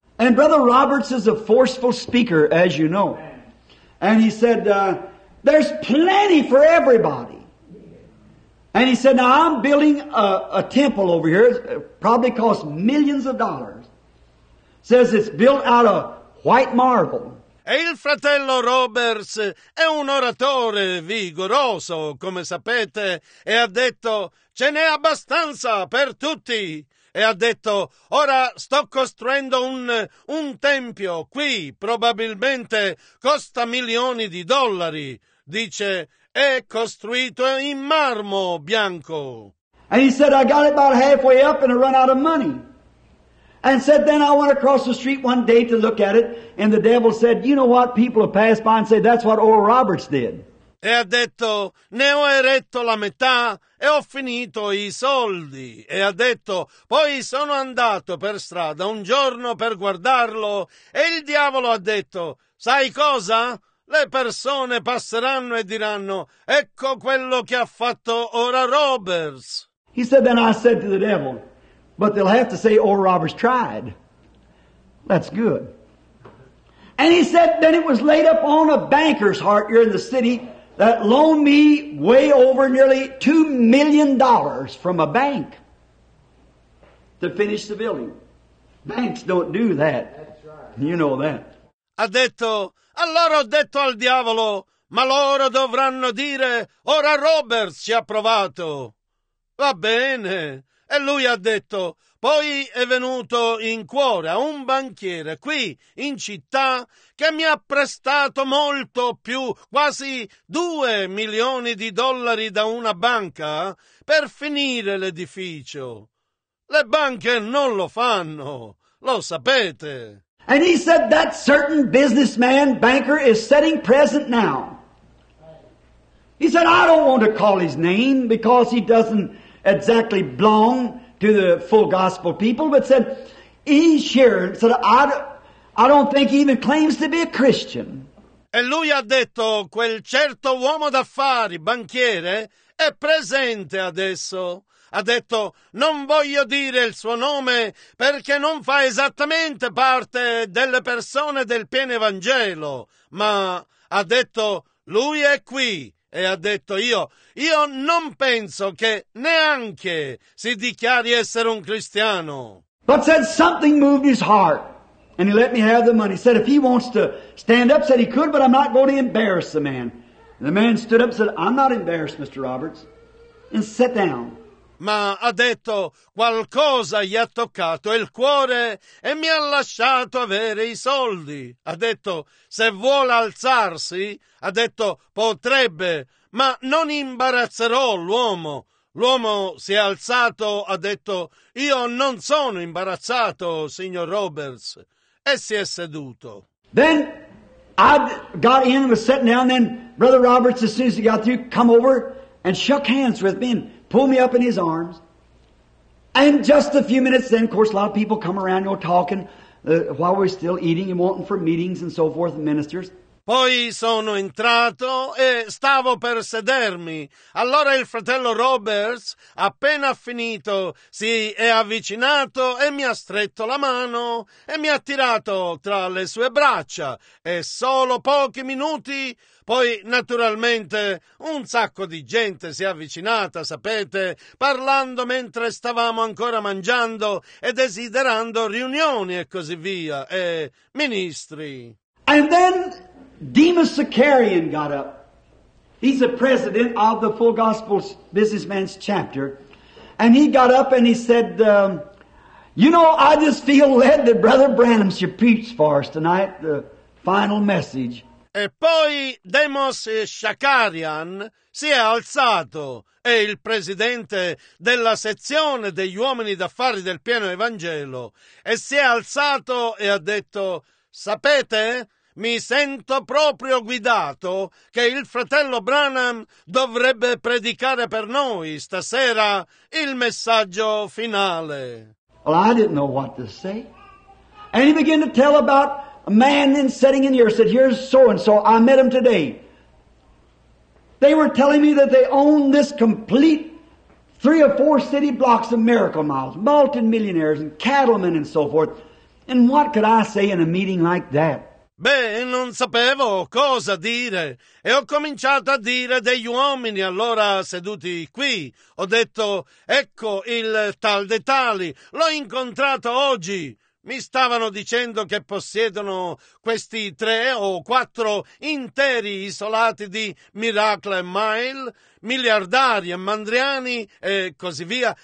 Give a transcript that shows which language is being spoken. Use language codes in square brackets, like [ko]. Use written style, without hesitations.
[en] And Brother Roberts is a forceful speaker, as you know. And he said, there's plenty for everybody. And he said, now I'm building a temple over here. It probably costs millions of dollars. Says it's built out of white marble. [it] E il fratello Roberts è un oratore vigoroso, come sapete, e ha detto, ce n'è abbastanza per tutti. E ha detto, ora sto costruendo un tempio qui, probabilmente costa milioni di dollari. Dice, è costruito in marmo bianco. [en] And he said, I got it about halfway up and I run out of money. And said, then I went across the street one day to look at it, and the devil said, you know what? People have passed by and said, that's what Oral Roberts did. [it] E ha detto, ne ho eretto la metà e ho finito i soldi. E ha detto, poi sono andato per strada un giorno per guardarlo, e il diavolo ha detto, sai cosa? Le persone passeranno e diranno, ecco quello che ha fatto Oral Roberts. [en] He said, then I said to the devil, but they'll have to say Oral Roberts tried. That's good. And he said, then it was laid up on a banker's heart here in the city that loaned me way over nearly $2 million from a bank to finish the building. Banks don't do that. That's right. You know that. [it] Ha detto, allora ho detto al diavolo, ma loro dovranno dire, ora Roberts ci ha provato. Va bene. E lui ha detto, poi è venuto in cuore a un banchiere qui in città che mi ha prestato molto più, quasi $2 million da una banca per finire l'edificio. Le banche non lo fanno, lo sapete. [en] And he said that certain businessman banker is sitting present now. He said, I don't want to call his name because he doesn't exactly belong to the full gospel people, but said, he's here, said, I don't think he even claims to be a Christian. [it] E lui ha detto, quel certo uomo d'affari, banchiere, è presente adesso. Ha detto, non voglio dire il suo nome perché non fa esattamente parte delle persone del pieno Evangelo, ma ha detto, lui è qui. E ha detto, io non penso che neanche si dichiari essere un cristiano. [en] But said something moved his heart, and he let me have the money. Said if he wants to stand up, said he could, but I'm not going to embarrass the man. And the man stood up, said, I'm not embarrassed, Mr. Roberts, and sat down. [it] Ma ha detto, qualcosa gli ha toccato il cuore e mi ha lasciato avere i soldi. Ha detto, se vuole alzarsi, ha detto, potrebbe, ma non imbarazzerò l'uomo. L'uomo si è alzato, ha detto, io non sono imbarazzato, signor Roberts. E si è seduto. [en] Then I got in and was sitting down, then Brother Roberts, as soon as he got through, come over and shook hands with me and pull me up in his arms. And just a few minutes then, of course, a lot of people come around, you know, talking while we're still eating and wanting for meetings and so forth, and ministers. [it] Poi sono entrato e stavo per sedermi. Allora il fratello Roberts, appena finito, si è avvicinato e mi ha stretto la mano e mi ha tirato tra le sue braccia. E solo pochi minuti, poi naturalmente un sacco di gente si è avvicinata, sapete, parlando mentre stavamo ancora mangiando e desiderando riunioni e così via, e ministri. [en] And then Demas Zakarian got up. He's the president of the Full Gospel Businessman's Chapter. And he got up and he said, you know, I just feel led that Brother Branham should preach for us tonight, the final message. [it] E poi Demas Zakarian si è alzato. E il presidente della sezione degli uomini d'affari del pieno Evangelo. E si è alzato e ha detto, sapete, mi sento proprio guidato che il fratello Branham dovrebbe predicare per noi stasera il messaggio finale. [en] Well, I didn't know what to say. And he began to tell about a man then sitting in here, said, here's so-and-so, I met him today. They were telling me that they own this complete 3 or 4 city blocks of miracle miles, multi-millionaires and cattlemen and so forth. And what could I say in a meeting like that? [it] Beh, non sapevo cosa dire e ho cominciato a dire degli uomini allora seduti qui. Ho detto, ecco il tal de tali, l'ho incontrato oggi. Mi stavano dicendo che possiedono questi 3 o 4 interi isolati di Miracle Mile, miliardari e mandriani e così via.